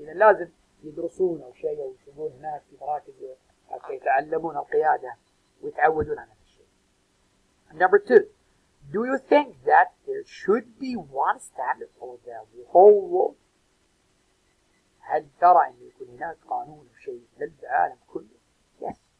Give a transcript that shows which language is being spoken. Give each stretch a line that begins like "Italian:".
Arabic: إذا لازم يدرسون أو شيء أو يشوفون هناك في مراكز حتى يتعلمون القيادة ويتعودون على هذا الشيء.
English: Number two, do you think that there should be one standard for the whole world?
Arabic: هل ترى أن يكون هناك قانون أو شيء للعالم كله؟ Yes.